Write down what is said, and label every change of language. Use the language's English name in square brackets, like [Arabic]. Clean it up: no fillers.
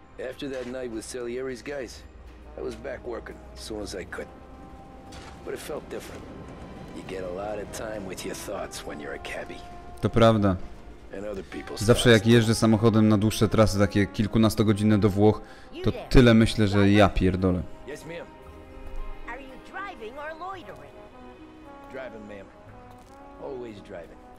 [English] After that night with Salieri's guys, I was back working as soon as I could. But it felt different. You get a lot of time with your thoughts when you're a cabbie. [Polish] To prawda. Zawsze jak jeżdżę samochodem na dłuższe trasy, takie kilkunastogodzinne do Włoch, to tyle myślę, że ja pierdolę. [English] Yes, ma'am. Are you driving or loitering? Driving, ma'am. Always driving.